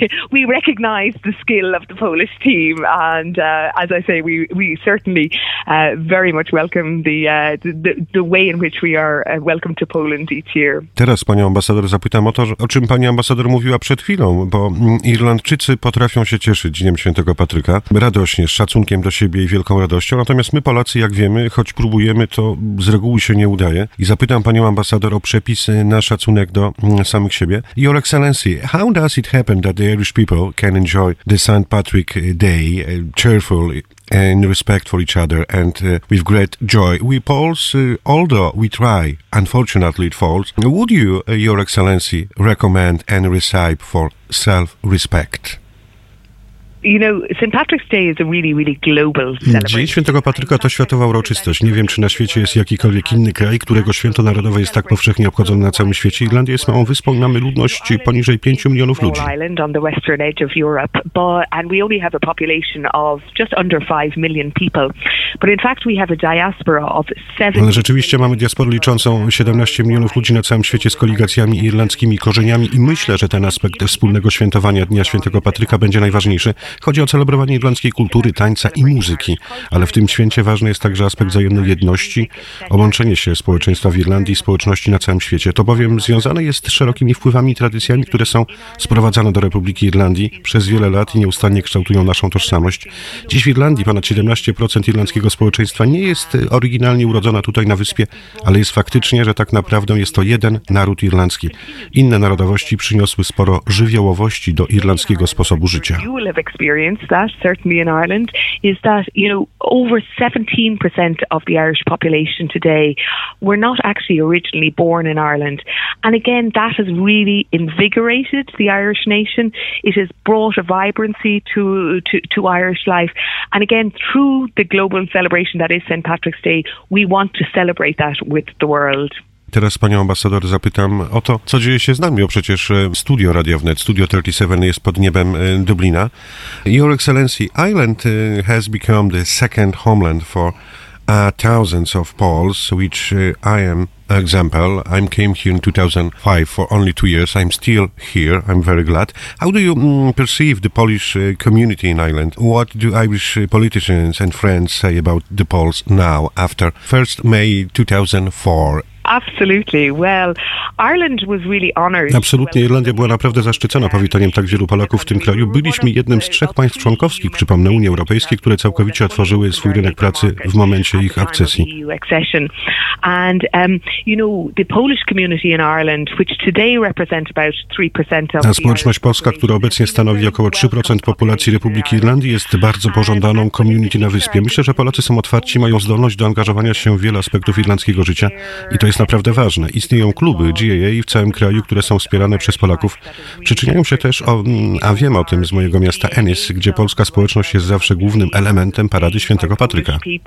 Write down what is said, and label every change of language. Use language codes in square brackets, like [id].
[en] We recognize the skill of the Polish team and as I say we certainly very much welcome the way in which we are welcome to Poland each year. [pl] Teraz panią ambasador zapytam o to, o czym pani ambasador mówiła przed chwilą, bo Irlandczycy potrafią się cieszyć Dniem Świętego Patryka radośnie, z szacunkiem do siebie i wielką radością. Natomiast my Polacy, jak wiemy, choć próbujemy, to z reguły się nie udaje. I zapytam panią ambasador o przepisy na szacunek do samych siebie. [en] Your Excellency, how does it happen that the Irish people can enjoy the St. Patrick Day cheerfully and respect for each other and with great joy? We Poles, although we try, unfortunately it falls. Would you, Your Excellency, recommend and recipe for self-respect? You know, St. Patrick's Day is a really, really global celebration. [pl] Dzień Świętego Patryka to światowa uroczystość. Nie wiem, czy na świecie jest jakikolwiek inny kraj, którego święto narodowe jest tak powszechnie obchodzone na całym świecie. Irlandia jest małą wyspą i mamy ludność poniżej 5 milionów ludzi. [en] Ireland on the western edge of Europe, but and we only have a population of just under 5 million people. But in fact we have a diaspora of 7. [pl] Ale rzeczywiście mamy diasporę liczącą 17 milionów ludzi na całym świecie z koligacjami irlandzkimi korzeniami i myślę, że ten aspekt wspólnego świętowania Dnia Świętego Patryka będzie najważniejszy. Chodzi o celebrowanie irlandzkiej kultury, tańca i muzyki, ale w tym święcie ważny jest także aspekt wzajemnej jedności, o łączenie się społeczeństwa w Irlandii i społeczności na całym świecie. To bowiem związane jest z szerokimi wpływami i tradycjami, które są sprowadzane do Republiki Irlandii przez wiele lat i nieustannie kształtują naszą tożsamość. Dziś w Irlandii ponad 17% irlandzkiego społeczeństwa nie jest oryginalnie urodzona tutaj na wyspie, ale jest faktycznie, że tak naprawdę jest to jeden naród irlandzki. Inne narodowości przyniosły sporo żywiołowości do irlandzkiego sposobu życia. [en] Experience that certainly in Ireland is that you know over 17% of the Irish population today were not actually originally born in Ireland, and again that has really invigorated the Irish nation. It has brought a vibrancy to Irish life, and again through the global celebration that is St. Patrick's Day, we want to celebrate that with the world. [pl] Teraz panią ambasador zapytam o to, co dzieje się z nami, bo przecież studio Radio Wnet, Studio 37 jest pod niebem Dublina. [en] Your Excellency, Ireland has become the second homeland for thousands of Poles, which I am example. I came here in 2005 for only 2 years. I'm still here. I'm very glad. How do you perceive the Polish community in Ireland? What do Irish politicians and friends say about the Poles now after 1st May 2004? Absolutely. Well, Ireland was really honored. [pl] Absolutnie, Irlandia była naprawdę zaszczycona powitaniem tak wielu Polaków w tym kraju. Byliśmy jednym z trzech państw członkowskich, przypomnę, Unii Europejskiej, które całkowicie otworzyły swój rynek pracy w momencie ich akcesji. [en] And you know, the Polish community in Ireland, which today represents about 3% of. [pl] A społeczność polska, która obecnie stanowi około 3% populacji Republiki Irlandii, jest bardzo pożądaną community na wyspie. Myślę, że Polacy są otwarci, mają zdolność do angażowania się w wiele aspektów irlandzkiego życia. To jest naprawdę ważne. Istnieją kluby GAA w całym kraju, które są wspierane przez Polaków. Przyczyniają się też, a wiem o tym z mojego miasta Ennis, gdzie polska społeczność jest zawsze głównym elementem parady Świętego Patryka.